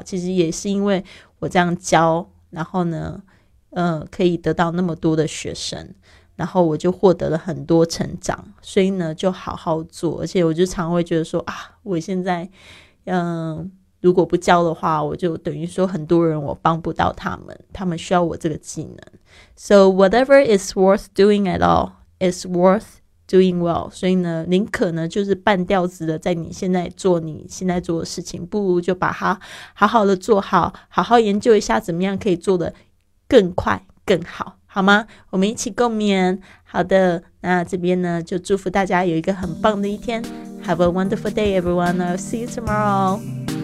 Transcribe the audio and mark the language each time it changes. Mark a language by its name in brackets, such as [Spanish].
[Chinese] 其实也是因为我这样教，然后呢可以得到那么多的学生，然后我就获得了很多成长，所以呢就好好做。而且我就常会觉得说啊，我现在如果不教的话，我就等于说很多人我帮不到他们，他们需要我这个技能。 [English] So whatever is worth doing at all is worth doing well. [Chinese] 所以呢，宁可呢就是半吊子的在你现在做的事情，不如就把它好好的做好，好好研究一下怎么样可以做得更快更好，好吗？我们一起共勉。好的，那这边呢就祝福大家有一个很棒的一天。 [English] Have a wonderful day everyone. I'll see you tomorrow.